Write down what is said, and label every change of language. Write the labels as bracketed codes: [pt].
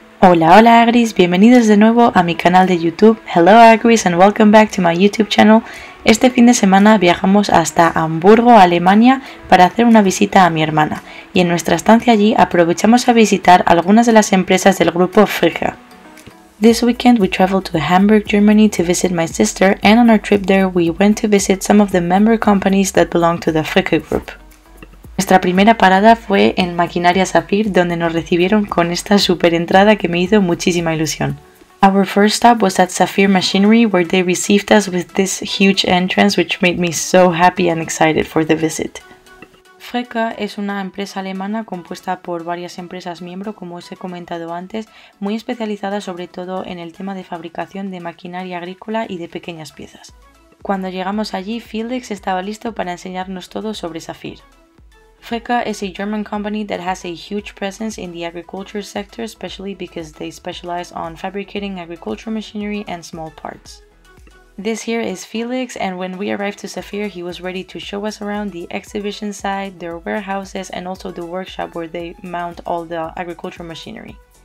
[es] Hola, hola Agris, bienvenidos de nuevo a mi canal de YouTube. Hello Agris and welcome back to my YouTube channel. Este fin de semana viajamos hasta Hamburgo, Alemania, para hacer una visita a mi hermana. Y en nuestra estancia allí aprovechamos a visitar algunas de las empresas del grupo Fricke. [en] This weekend we traveled to Hamburg, Germany to visit my sister, and on our trip there we went to visit some of the member companies that belong to the Fricke Gruppe. [es] Nuestra primera parada fue en Maquinaria SAPHIR, donde nos recibieron con esta super entrada que me hizo muchísima ilusión. [en] Our first stop was at SAPHIR Machinery, where they received us with this huge entrance, which made me so happy and excited for the visit. [es] Fricke es una empresa alemana compuesta por varias empresas miembro, como os he comentado antes, muy especializada sobre todo en el tema de fabricación de maquinaria agrícola y de pequeñas piezas. Cuando llegamos allí, Felix estaba listo para enseñarnos todo sobre SAPHIR. [en] Fricke is a German company that has a huge presence in the agriculture sector, especially because they specialize on fabricating agricultural machinery and small parts. This here is Felix, and when we arrived to SAPHIR, he was ready to show us around the exhibition site, their warehouses, and also the workshop where they mount all the agricultural machinery.